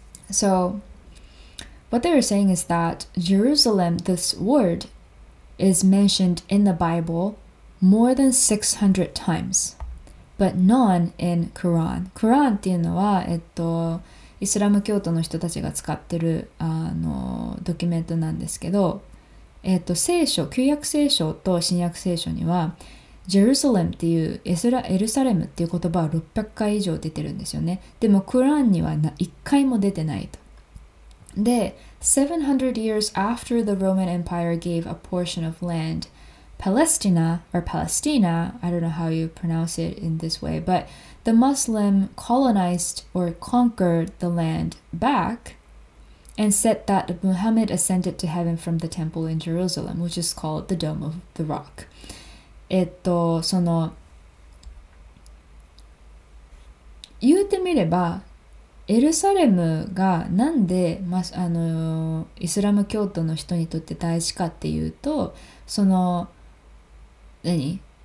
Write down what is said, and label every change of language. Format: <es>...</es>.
<en>So what they were saying is that Jerusalem, this word, is mentioned in the Bible more than 600 timesBut none in Quran.</en> <ja>Quran っていうのは、イスラム教徒の人たちが使ってるあのドキュメントなんですけど、聖書、旧約聖書と新約聖書には、ジェルサレムっていうエルサレムっていう言葉は600回以上出てるんですよね。でも、Quran には1回も出てないと。</ja> <en>で、700 years after the Roman Empire gave a portion of landPalestina, or Palestina, I don't know how you pronounce it in this way, but the Muslim colonized or conquered the land back and said that Muhammad ascended to heaven from the temple in Jerusalem, which is called the Dome of the Rock.</en> <ja>その言うてみれば、エルサレムがなんで、ま、あのイスラム教徒の人にとって大事かっていうと、その何</ja>